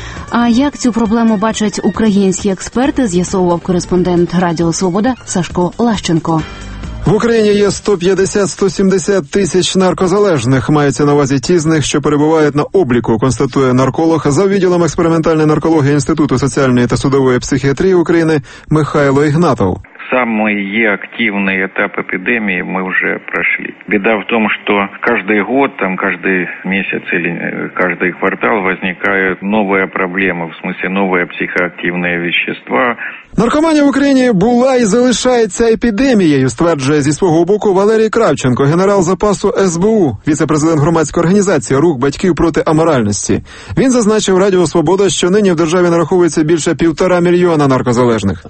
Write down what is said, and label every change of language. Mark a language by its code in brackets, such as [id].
[uk] А як цю проблему бачать українські експерти, з'ясовував кореспондент Радіо Свобода Сашко Лащенко. В Україні є 150-170 тисяч наркозалежних. Мається на увазі ті з них, що перебувають на обліку, констатує нарколог за відділом експериментальної наркології Інституту соціальної та судової психіатрії України Михайло Ігнатов. [ru] Самый активный этап эпидемии мы уже прошли. Беда в том, что каждый год, там каждый месяц или каждый квартал возникает новая проблема, в смысле новые психоактивные вещества. [uk] Наркоманія в Україні була і залишається епідемією, стверджує зі свого боку Валерій Кравченко, генерал запасу СБУ, віце-президент громадської організації «Рух батьків проти аморальності». Він зазначив Радіо Свобода, що нині в державі нараховується більше 1,5 мільйона наркозалежних.